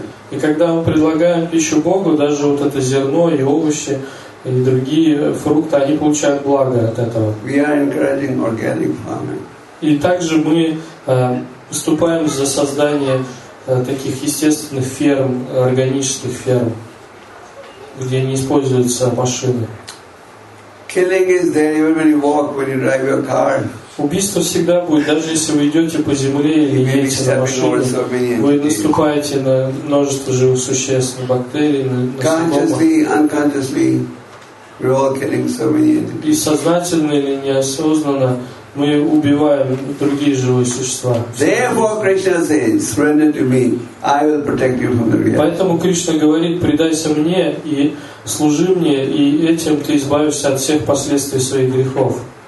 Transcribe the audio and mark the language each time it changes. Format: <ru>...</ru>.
<ru>И когда мы предлагаем пищу Богу, даже вот это зерно и овощи, и другие фрукты, они получают благо от этого.</ru> <en>We are encouraging organic farming.</en> <ru>И также мы выступаем за создание таких естественных ферм, органических ферм, где не используются машины.</ru> <en>Killing is there even when you walk, when you drive your car.</en> <ru>Убийство всегда будет, даже если вы идете по земле или едете на машине. Вы наступаете на множество живых существ, на бактерии, на насекомых.</ru> <en>Consciously, unconsciously, we're all killing so many entities.</en> <ru>И сознательно или неосознанно мы убиваем другие живые существа.</ru> <en>Therefore, Krishna says, surrender to me, I will protect you from the reality.</en> <ru>Поэтому Кришна говорит, предайся мне и служи мне, и этим ты избавишься от всех последствий своих грехов.</ru>